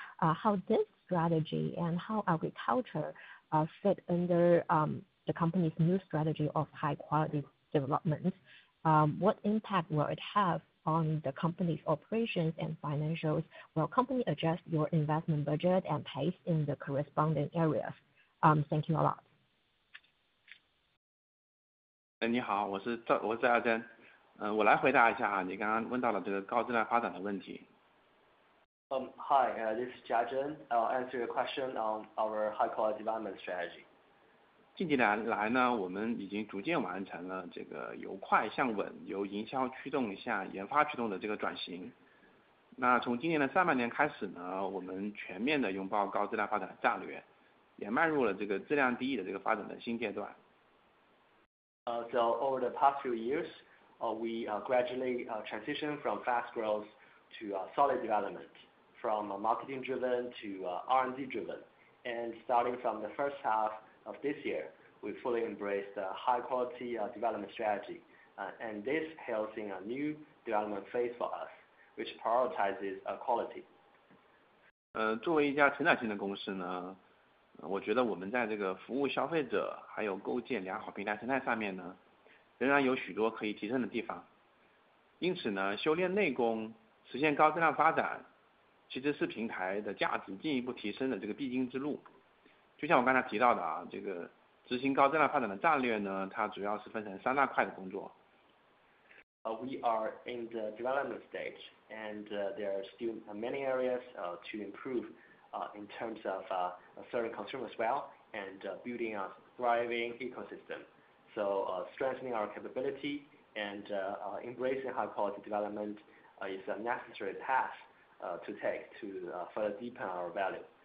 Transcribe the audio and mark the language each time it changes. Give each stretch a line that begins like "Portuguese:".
English: How this strategy and how agriculture fit under the company's new strategy of high quality development, what impact will it have on the company's operations and financials? Will company adjust your investment budget and pace in the corresponding areas? Thank you a lot.
Chinese: 你好，我是阿珍，我来回答一下你刚刚问到了这个高质量发展的问题。
English: Hi, this is Jia Zhen. I'll answer your question on our high quality development strategy.
Chinese: 近几年来呢，我们已经逐渐完成了这个由快向稳，由营销驱动向研发驱动的这个转型。那从今年的上半年开始呢，我们全面的拥抱高质量发展战略。也迈入了这个质量第一的这个发展的新阶段。
English: So over the past few years, we gradually transition from fast growth to solid development, from marketing driven to R&D driven, and starting from the first half of this year, we fully embraced the high quality development strategy, and this helps in a new development phase for us, which prioritizes quality.
Chinese: 作为一家成长型的公司呢。我觉得我们在这个服务消费者还有构建良好平台生态上面呢仍然有许多可以提升的地方，因此呢修炼内功实现高质量发展其实是平台的价值进一步提升的这个必经之路，就像我刚才提到的这个执行高质量发展的战略呢它主要是分成三大块的工作。
English: We are in the development stage and there are still many areas to improveIn terms of serving consumers well and building a thriving ecosystem. So strengthening our capability and embracing high quality development is a necessary path to take to further deepen our value.